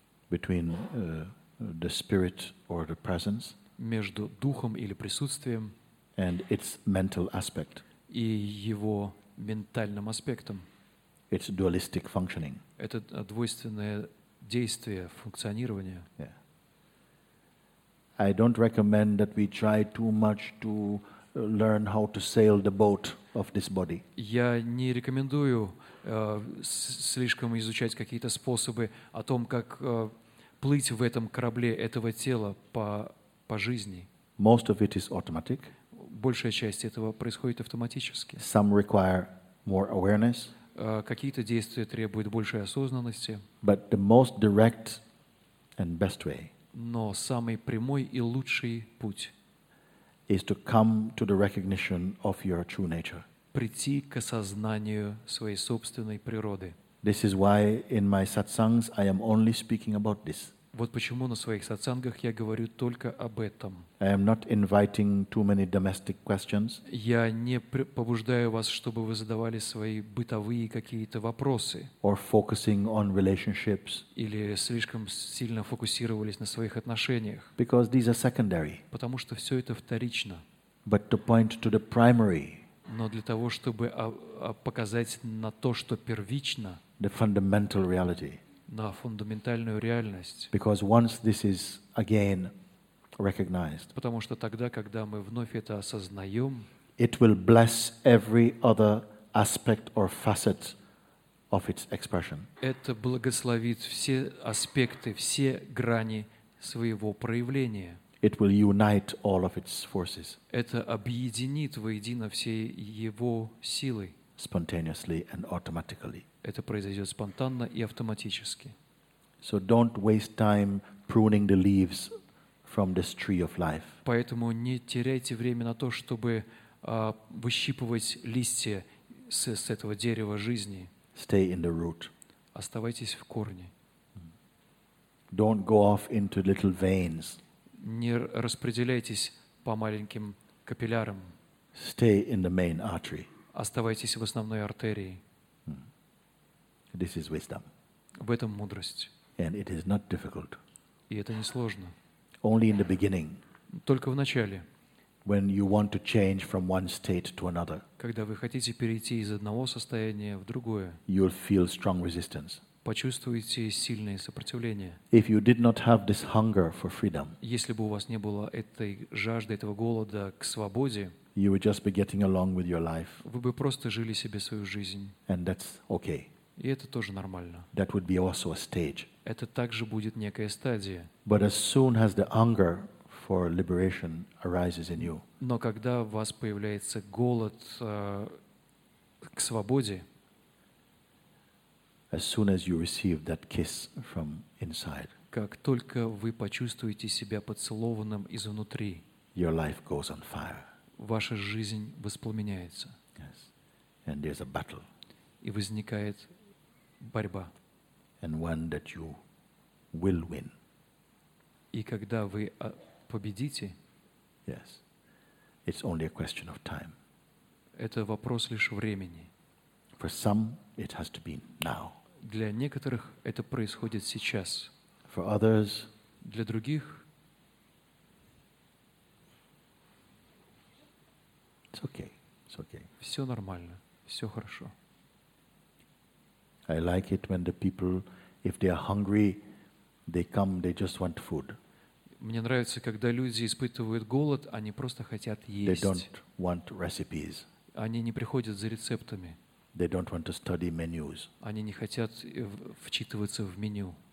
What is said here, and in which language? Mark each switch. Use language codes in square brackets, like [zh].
[en] Between the spirit or the presence. [ru] Между духом или присутствием. [en] And its mental aspect. [ru] И его ментальным аспектом. [en] It's dualistic functioning. [ru] Это двойственное действие функционирования. [en] Yeah. I don't recommend that we try too much to learn how to sail the boat of this body. [ru] Я не рекомендую слишком изучать какие-то способы о том, как плыть в этом корабле этого тела по жизни. [en] Most of it is automatic. [ru] Большая часть этого происходит автоматически. [en] Some require more awareness. [ru] Какие-то действия требуют большей осознанности. [en] But the most direct and best way. [ru] Но самый прямой и лучший путь. [en] Is to come to the recognition of your true nature. [ru] Прийти к осознанию своей собственной природы. [en] This is why in my satsangs I am only speaking about this. [ru] Вот почему на своих сатсангах я говорю только об этом. [en] I am not inviting too many domestic questions. [ru] Я не побуждаю вас, чтобы вы задавали свои бытовые какие-то вопросы. [en] Or focusing on relationships. [ru] Или слишком сильно фокусировались на своих отношениях. [en] Because these are secondary. [ru] Потому что все это вторично. [en] But to point to the primary. [ru] Но для того, чтобы показать на то, что первично. [en] The fundamental reality. [ru] На фундаментальную реальность. [en] Because once this is again recognized, [ru] потому что тогда, когда мы вновь это осознаем, [en] it will bless every other aspect or facet of its expression. [ru] Это благословит все аспекты, все грани своего проявления. [en] It will unite all of its forces. [ru] Это объединит воедино все его силы. [en] Spontaneously and automatically. [ru] Это произойдет спонтанно и автоматически. [en] So don't waste time pruning the leaves from this tree of life. [ru] Поэтому не теряйте время на то, чтобы выщипывать листья с этого дерева жизни. [en] Stay in the root. [ru] Оставайтесь в корне. [en] Don't go off into little veins. [ru] Не распределяйтесь по маленьким капиллярам. [en] Stay in the main artery. [ru] Оставайтесь в основной артерии. [en] This is wisdom. [ru] В этом мудрость. [en] And it is not difficult. [ru] И это несложно. [en] Only in the beginning. [ru] Только в начале. [en] When you want to change from one state to another. [ru] Когда вы хотите перейти из одного состояния в другое. [en] You'll feel strong resistance. [ru] Почувствуете сильное сопротивление. [en] If you did not have this hunger for freedom. [ru] Если бы у вас не было этой жажды, этого голода к свободе. [en] You would just be getting along with your life. [ru] Вы бы просто жили себе свою жизнь. [en] And that's okay. [ru] И это тоже нормально. [en] That would be also a stage. [ru] Это также будет некая стадия. [en] But as soon as the hunger for liberation arises in you. [ru] Но когда у вас появляется голод к свободе. [en] As soon as you receive that kiss from inside. [ru] Как только вы почувствуете себя поцелованным изнутри. [en] Your life goes on fire. [ru] Ваша жизнь воспламеняется. [en] Yes. And there's a battle. [ru] И возникает борьба. [en] And one that you will win. [ru] И когда вы победите, [en] yes. It's only a question of time. [ru] Это вопрос лишь времени. [en] For some, it has to be now. [ru] Для некоторых это происходит сейчас. [en] For others, [ru] для других, [en] it's okay. It's okay. [ru] Все нормально, все хорошо. [en] I like it when the people, if they are hungry, they come, they just want food. [ru] Мне нравится, когда люди испытывают голод, они просто хотят есть. [en] They don't want recipes. [ru] Они не приходят за рецептами. [en] They don't want to study menus. [ru] Они не хотят вчитываться в меню.